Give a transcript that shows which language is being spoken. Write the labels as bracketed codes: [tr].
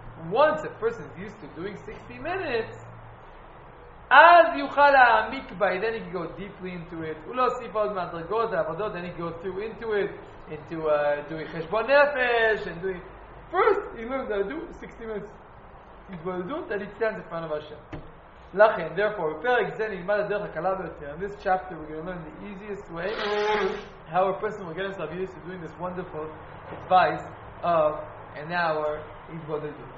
[en] Once a person is used to doing 60 minutes, [he] אז יוכל להעמיק בה, [en] then he can go deeply into it. [he] הוא לא הוסיף עוד מהדרגות, העבודות, [en] then he can go through into it, into doing חשבון נפש, and doing... First, he learned how to do 60 minutes. He's going to do it, then he stands in front of Hashem. [he] לכן, [en] therefore, [he] בפרק זה נלמד הדרך הקלה ביותר. [en] In this chapter, we're going to learn the easiest way how a person will get himself used to doing this wonderful advice of an hour he's going to do.